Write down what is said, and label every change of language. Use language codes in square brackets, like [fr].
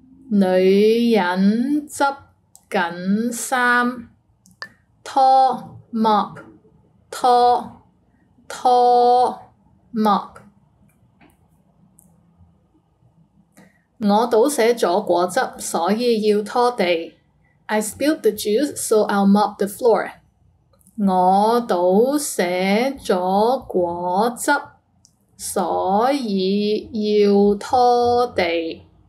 [yue] 女人執緊衫。拖 mop, 拖拖 mop. 我倒寫咗果汁，所以要拖地。 [en] I spilled the juice, so I'll mop the floor. [yue] 我倒寫咗果汁，所以要拖地。